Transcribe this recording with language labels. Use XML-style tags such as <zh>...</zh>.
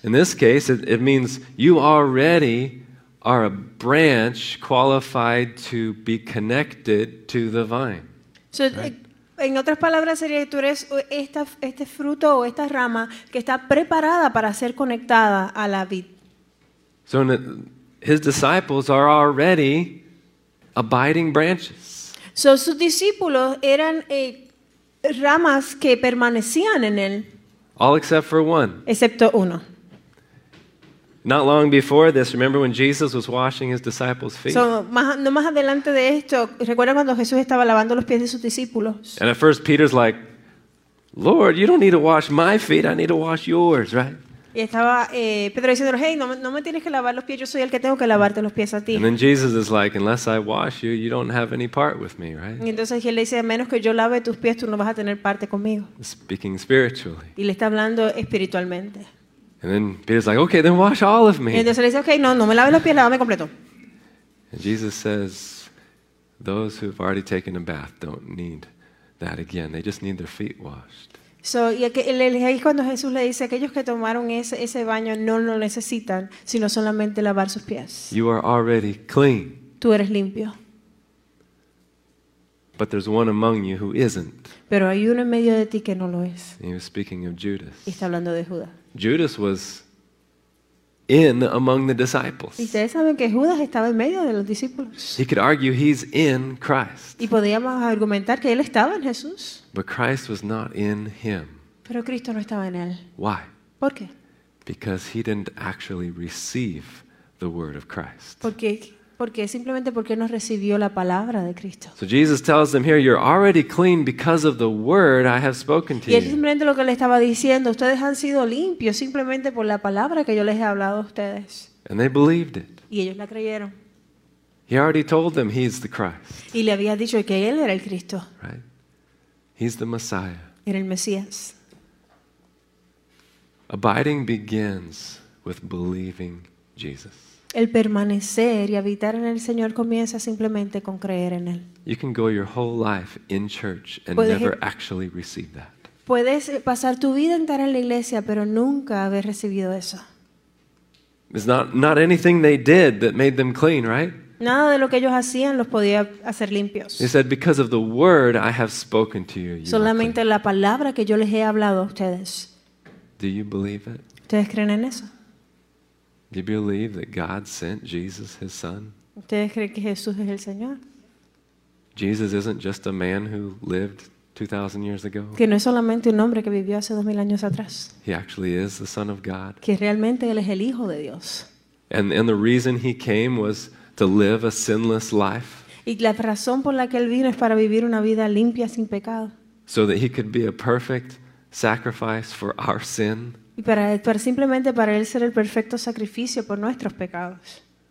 <en>In this case, it means you already are a branch qualified to be connected to the vine. So, right?</en> <es>En otras palabras, sería que tú eres este fruto o esta rama que está preparada para ser conectada a la vid.</es> <en>So his disciples are already abiding branches.</en> <es>So sus discípulos eran ramas que permanecían en él.</es> <en>All except for one.</en> <es>Excepto uno.</es> <en>Not long before this, remember when Jesus was washing his disciples' feet?</en> <es>No más adelante de esto, recuerda cuando Jesús estaba lavando los pies de sus discípulos.</es> <en>And at first Peter's like, "Lord, you don't need to wash my feet, I need to wash yours," right?</en> <es>Y estaba Pedro diciendo, "Hey, no me tienes que lavar los pies, yo soy el que tengo que lavarte los pies a ti."</es> <en>And then Jesus is like, "Unless I wash you, you don't have any part with me," right?</en> <es>Y entonces él le dice, "A menos que yo lave tus pies, tú no vas a tener parte conmigo."</es> <en>Speaking spiritually.</en> <es>Y le está hablando espiritualmente.</es> <en>And then Peter's like, "Okay, then wash all of me."</en> <es>Y entonces le dice, "Okay, no me laves los pies, lávame completo."</es> <en>And Jesus says, "Those who have already taken a bath don't need that again. They just need their feet washed."</en> <es>So, y ahí cuando Jesús le dice, aquellos que tomaron ese baño no lo necesitan, sino solamente lavar sus pies.</es> <en>You are already clean.</en> <es>Tú eres limpio.</es> <en>But there's one among you who isn't.</en> <es>Pero hay uno en medio de ti que no lo es.</es> <en>He was speaking of Judas.</en> <es>Y está hablando de Judas.</es> <en>Judas was in among the disciples.</en> <es>Y ustedes saben que Judas estaba en medio de los discípulos.</es> <en>He could argue he's in Christ.</en> <es>Y podíamos argumentar que él estaba en Jesús.</es> <en>But Christ was not in him.</en> <es>Pero Cristo no estaba en él.</es> <en>Why?</en> <es>¿Por qué?</es> <en>Because he didn't actually receive the word of Christ.</en> <es>Porque simplemente porque no recibió la palabra de Cristo.</es> <en>So Jesus tells them here, "You're already clean because of the word I have spoken to you."</en> <es>Y es simplemente lo que le estaba diciendo. Ustedes han sido limpios simplemente por la palabra que yo les he hablado a ustedes.</es> <en>And they believed it.</en> <es>Y ellos la creyeron.</es> <en>He already told them he's the Christ.</en> <es>Y le había dicho que él era el Cristo.</es> <en>Right? He's the Messiah.</en> <es>Era el Mesías.</es> <en>Abiding begins with believing Jesus.</en> <es>El permanecer y habitar en el Señor comienza simplemente con creer en Él.</es> <en>You can go your whole life in church and never actually receive that.</en> <es>Puedes pasar tu vida entera en la iglesia, pero nunca haber recibido eso.</es> <en>It's not anything they did that made them clean, right?</en> <es>Nada de lo que ellos hacían los podía hacer limpios.</es> <en>He said, "Because of the word I have spoken to you."</en> <es>Solamente la palabra que yo les he hablado a ustedes.</es> <en>Do you believe it?</en> <es>¿Ustedes creen en eso?</es> <en>Do you believe that God sent Jesus, His Son?</en> <es>¿Ustedes creen que Jesús es el Señor?</es> <en>Jesus isn't just a man who lived 2,000 years ago.</en> <es>Que no es solamente un hombre que vivió hace 2,000 años atrás.</es> <en>He actually is the Son of God.</en> <es>Que realmente él es el Hijo de Dios.</es> <en>And the reason he came was to live a sinless life.</en> <es>Y la razón por la que él vino es para vivir una vida limpia sin pecado.</es> <en>So that he could be a perfect sacrifice for our sin.</en> <es>Y para simplemente para él ser el perfecto sacrificio por nuestros pecados.</es>